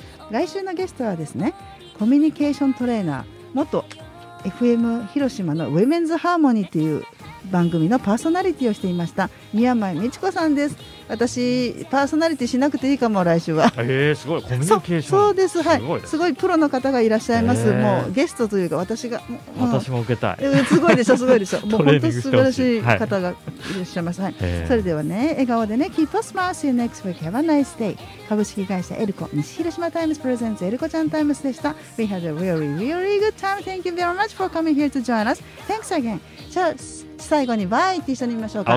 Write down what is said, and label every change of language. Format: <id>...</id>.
<ja>来週のゲストはですね、コミュニケーショントレーナー元FM 広島のウェメンズハーモニーという番組のパーソナリティをしていました宮前美智子さんです。私パーソナリティしなくていいかも来週は。すごいコミュニケーション、そうです、はい、すごいプロの方がいらっしゃいます。もうゲストというか私が、もう私も受けたい、すごいでしょ、すごいでしょ、もう本当に素晴らしい方がいらっしゃいます。はい、それではね、笑顔でね、</ja> <en>Keep a smile, see you next week, have a nice day.</en> <ja>株式会社エルコ西広島タイムズプレゼンツエルコちゃんタイムズでした。</ja> <en>We had a really really good time. Thank you very much for coming here to join us. Thanks again.</en> <ja>じゃあ最後にバイって一緒に見ましょうか。</ja>